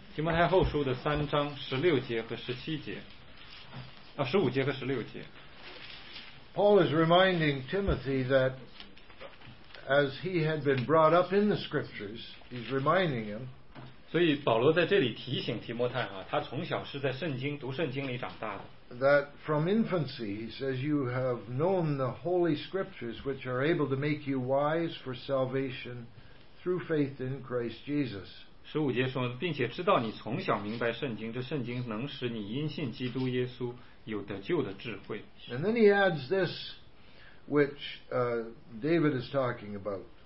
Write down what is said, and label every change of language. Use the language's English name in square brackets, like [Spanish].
[Chinese] 提摩太后书的三章十六节和十七节，啊，十五节和十六节。 [English] Paul is reminding Timothy that as he had been brought up in the Scriptures, he's reminding him. [Chinese] 所以保罗在这里提醒提摩太啊，他从小是在圣经读圣经里长大的。 [English] That from infancy, he says, you have known the holy Scriptures, which are able to make you wise for salvation through faith in Christ Jesus. [Chinese] 十五节说，并且知道你从小明白圣经，这圣经能使你因信基督耶稣有得救的智慧。 [English] And then he adds this, which David is talking about.